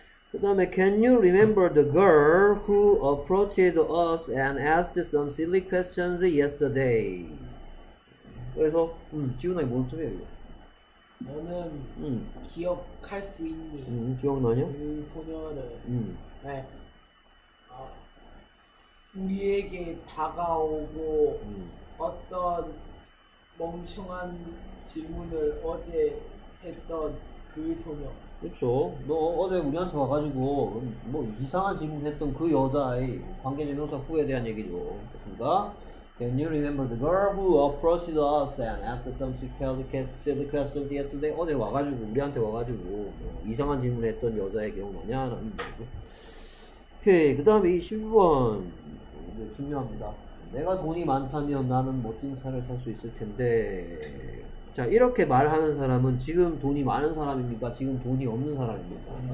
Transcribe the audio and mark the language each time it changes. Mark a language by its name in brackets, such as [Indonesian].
[Korean] 그 다음에 [English] Can you remember the girl who approached us and asked some silly questions yesterday? [Korean] 그래서 지훈아 뭔 소리야 이거? 너는 기억할 수 있니? 기억나냐? 그 소녀를 네. 우리에게 다가오고 어떤 멍청한 질문을 어제 했던 그 소녀. 그쵸. 너 어제 우리한테 와가지고 뭐 이상한 질문 했던 그 여자의 관계대명사 후에 대한 얘기죠. 그렇습니까? [English] Can you remember the girl who approached us and asked some silly questions yesterday? [Korean] 어제 와가지고 우리한테 와가지고 뭐 이상한 질문을 했던 여자의 기억나냐? 라는 거죠. 오케이. 그 다음에 20번. 이제 중요합니다. 내가 돈이 많다면 나는 멋진 차를 살수 있을 텐데. 자, 이렇게 말하는 사람은 지금 돈이 많은 사람입니까? 지금 돈이 없는 사람입니까?